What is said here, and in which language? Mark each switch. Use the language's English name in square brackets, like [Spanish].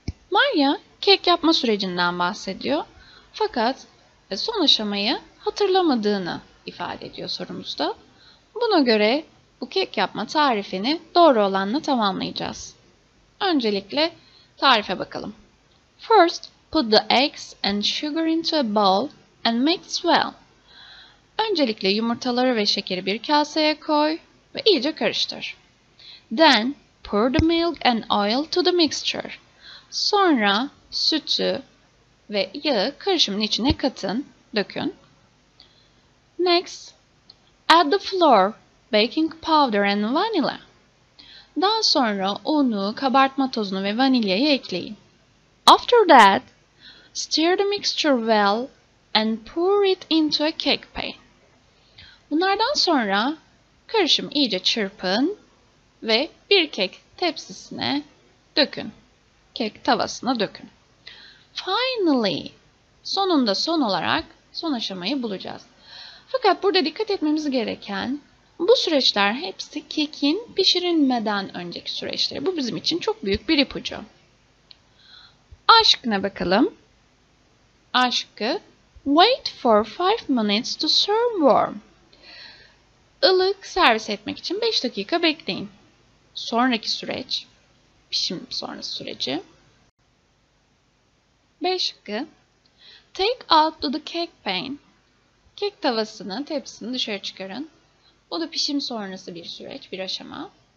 [Turkish] Maria, kek yapma sürecinden bahsediyor, fakat son aşamayı hatırlamadığını ifade ediyor sorumuzda. Buna göre bu kek yapma tarifini doğru olanla tamamlayacağız. Öncelikle tarife bakalım. [English] First, put the eggs and sugar into a bowl and mix well. [Turkish] Öncelikle yumurtaları ve şekeri bir kaseye koy ve iyice karıştır. [English] Then pour the milk and oil to the mixture. [Turkish] Sonra sütü ve yağı karışımın içine katın, dökün. [English] Next, add the flour, baking powder and vanilla. [Turkish] Daha sonra unu, kabartma tozunu ve vanilyayı ekleyin. [English] After that, stir the mixture well and pour it into a cake pan. [Turkish] Bunlardan sonra karışımı iyice çırpın ve bir kek tepsisine dökün. Kek tavasına dökün. Finally, sonunda son olarak son aşamayı bulacağız. Fakat burada dikkat etmemiz gereken bu süreçler hepsi kekin pişirilmeden önceki süreçler. Bu bizim için çok büyük bir ipucu. A şıkkına bakalım. A şıkkı, [English] wait for 5 minutes to serve warm. [Turkish] Ilık servis etmek için 5 dakika bekleyin. Sonraki süreç, pişim sonrası süreci. B şıkkı, [English] take out to the cake pan. [Turkish] Kek tavasını, tepsisini dışarı çıkarın. Bu da pişim sonrası bir süreç, bir aşama.